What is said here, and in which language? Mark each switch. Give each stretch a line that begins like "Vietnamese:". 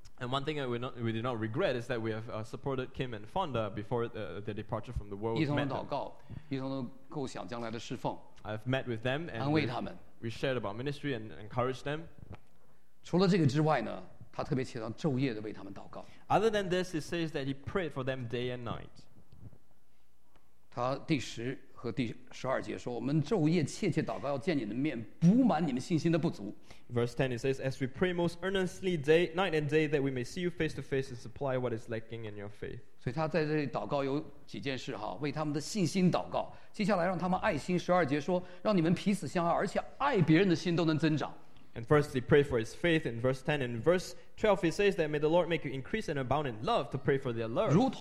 English: one thing that we did not regret is that we have supported Kim and Fonda before their departure from the world.
Chinese: 一同祷告，一同构想将来的侍奉。
English: I've met with them and
Chinese: 安慰他们。
English: We shared about ministry and encouraged them.
Chinese: 除了这个之外呢？他特别祈祷昼夜地为他们祷告。
English: Other than this, it says that he prayed for them day and night.
Chinese: 他第10和第12节说， 我们昼夜切切祷告，要见你的面， 补满你们信心的不足。
English: Verse 10, it says, as we pray most earnestly day, night and day, that we may see you face to face and supply what is lacking in your faith.
Chinese: 所以他在这里祷告有几件事， 为他们的信心祷告。接下来让他们爱心12节说， 让你们彼此相爱， 而且爱别人的心都能增长。
English: And first he prayed for his faith in verse 10. In verse 12 he says that may the Lord make you increase and abound in love to pray for their love.